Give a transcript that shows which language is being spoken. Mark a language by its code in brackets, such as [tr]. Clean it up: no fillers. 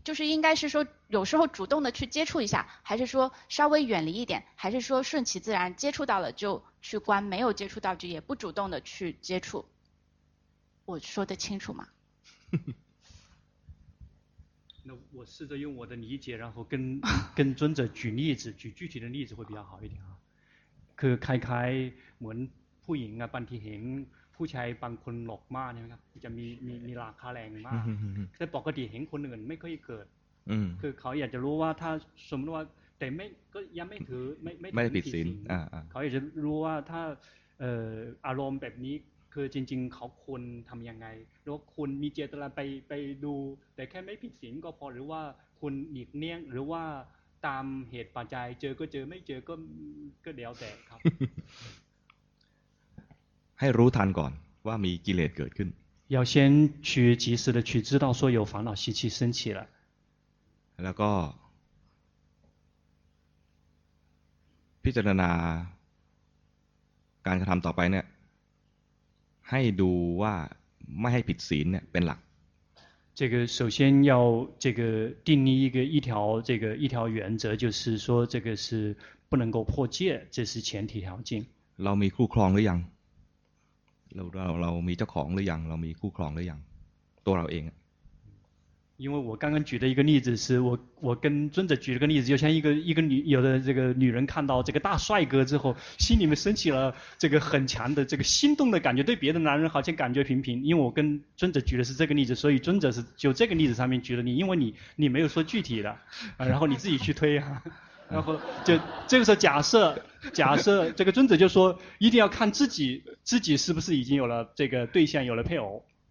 [zh] 就是应该是说有时候主动的去接触一下，还是说稍微远离一点，还是说顺其自然，接触到了就去关，没有接触到就也不主动的去接触？我说得清楚吗？那我试着用我的理解，然后跟尊者举例子，举具体的例子会比较好一点啊。 [th] คือคล้ายๆเหมือนผู้หญิงอ่ะบางทีเห็นผู้ชายบางคนหลอกมากนะครับจะมีราคาแรงมากแต่ปกติเห็นคนอื่นไม่ค่อยเกิดคือเขาอยากจะรู้ว่าถ้าสมมติว่าแต่ไม่ก็ยังไม่ถือไม่ ผิดศีล เขาอยากจะรู้ว่าถ้าอารมณ์แบบนี้คือจริงๆเขาควรทำยังไงหรือคุณมีเจตนาไปดูแต่แค่ไม่ผิดศีลก็พอหรือว่าคุณหลีกเลี่ยงหรือว่าตามเหตุปัจจัยเจอก็เจอไม่เจอก็เดี๋ยวแต่ครับ ให้รู้ทันก่อนว่ามีกิเลสเกิดขึ้น [zh] 要先去及时的去知道说有烦恼习气升起了 [th] แล้วก็พิจารณาการกระทำต่อไปเนี่ยให้ดูว่าไม่ให้ผิดศีลเนี่ยเป็นหลัก [zh] 这个首先要这个定立一条这个一条原则就是说这个是不能够破戒这是前提条件 [th] เรามีคู่ครองหรือยังเรามีเจ้าของหรือยังเรามีคู่ครองหรือยังตัวเราเอง [zh] 因为我刚刚举的一个例子是我跟尊者举了个例子就像一个女有的这个女人看到这个大帅哥之后心里面升起了这个很强的这个心动的感觉对别的男人好像感觉平平因为我跟尊者举的是这个例子所以尊者是就这个例子上面举了你因为你没有说具体的然后你自己去推啊然后就这个时候假设这个尊者就说一定要看自己是不是已经有了这个对象有了配偶